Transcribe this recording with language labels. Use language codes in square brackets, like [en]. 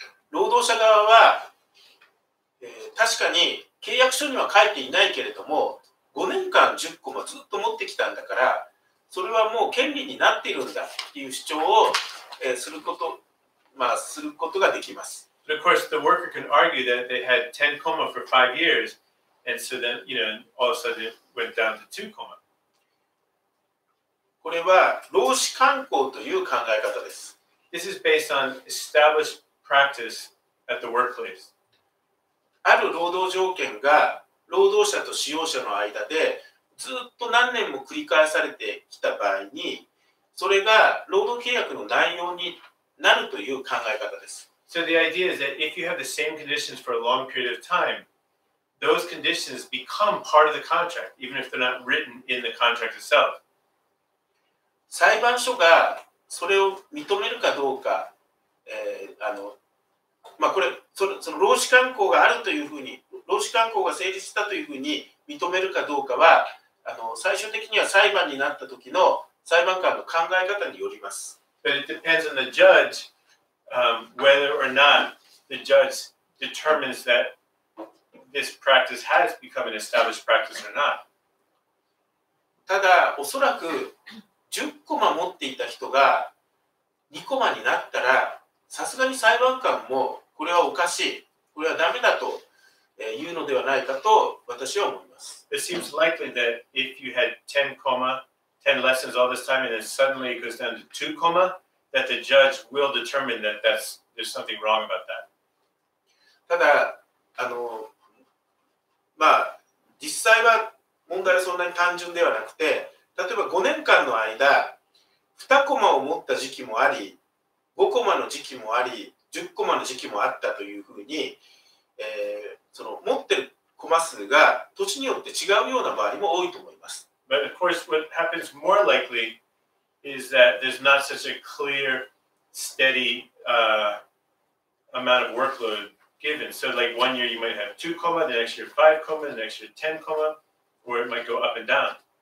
[ja] 労働者側は、確かに契約書には書いていないけれども、5年間10コマずっと持ってきたんだから、それはもう権利になっているんだという主張を、すること。まあ、することができます。 [en] But of course, the worker can argue that they had 10 comma for 5 years, and so then, you know, all of a sudden it went down to 2 comma. [ja] これは労使慣行という考え方です。 [en] This is based on established practice at the workplace. [ja] ある労働条件が労働者と使用者の間でずっと何年も繰り返されてきた場合に、それが労働契約の内容になるという考え方です。 [en] So the idea is that if you have the same conditions for a long period of time, those conditions become part of the contract, even if they're not written in the contract itself. [ja] 裁判所がそれを認めるかどうか、まあ、これ、その労使慣行があるというふうに、労使慣行が成立したというふうに認めるかどうかは、最終的には裁判になった時の裁判官の考え方によります。 [en] But it depends on the judge, whether or not the judge determines that this practice has become an established practice or not. [ja] ただ、おそらく10コマ持っていた人が2コマになったら、さすがに裁判官もこれはおかしい、これはダメだと言うのではないかと私は思います。 [en] It seems likely that if you had 10 comma, 10 lessons all this time and then suddenly it goes down to 2 comma, that the judge will determine that there's something wrong about that. [ja] ただ、まあ、実際は問題はそんなに単純ではなくて、例えば5年間の間、2コマを持った時期もあり、5コマの時期もあり、10コマの時期もあったというふうに、その持ってるコマ数が土地によって違うような場合も多いと思います。 [en] But of course, what happens more likely is that there's not such a clear, steady, amount of workload given. So like one year you might have 2 comma, the next year 5 comma, the next year 10 comma, or it might go up and down.